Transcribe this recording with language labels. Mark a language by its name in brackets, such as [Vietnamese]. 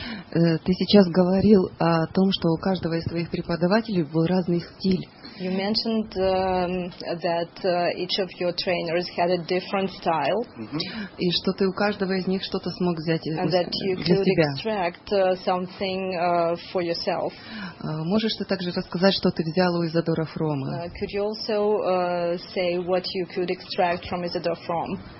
[Russian] Ты сейчас говорил о том, что у каждого из твоих преподавателей был разный стиль. [English] You mentioned that each of your trainers had a different style. [Russian] И что ты у каждого из них что-то смог взять для себя. [English] And that you could extract something for yourself. [Russian] Можешь ты также рассказать, что ты взял у Изадора Фрома? [English] Could you also say what you could extract from Isadora Fromm?